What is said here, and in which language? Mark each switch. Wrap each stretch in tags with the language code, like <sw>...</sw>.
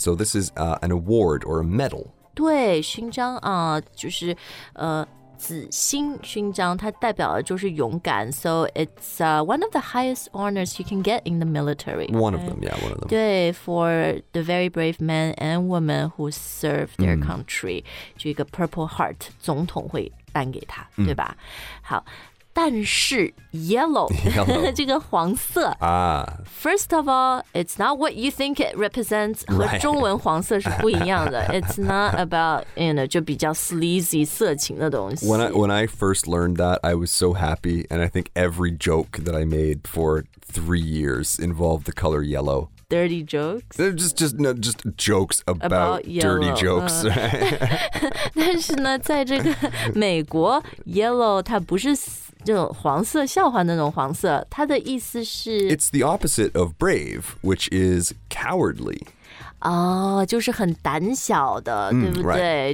<en>So this is an award or a medal.</en> <zh>对，勋章啊，就是紫星勋章，它代表的就是勇敢。</zh> <en>So it's one of the highest honors you can get in the military. One、right? of them, yeah, one of them. 对 ，for the very brave men and women who serve their country,</en> <zh>就一个</zh> <en>Purple Heart，</en> <zh>总统会颁给他，对吧？好，但是 yellow 这个黄色啊、</zh> <en>First of all, it's not what you think it represents.</en> <zh>和中文黄色是不一样的。</zh> <en>Right. It's not about, you know,</en> <zh>就比较</zh> <en>sleazy</en> <zh>色情的东西。</zh> <en>When I first learned that, I was so happy. And I think every joke that I made for 3 years involved the color yellow. Dirty jokes? They're just jokes about yellow, dirty jokes.、</en> <zh>但是呢，在这个美国 ，yellow 它不是这种黄色笑话那种黄色，它的意思是</zh> <en>，It's the opposite of brave, which is cowardly.</en> <zh>哦，就是很胆小的，对不对？</zh>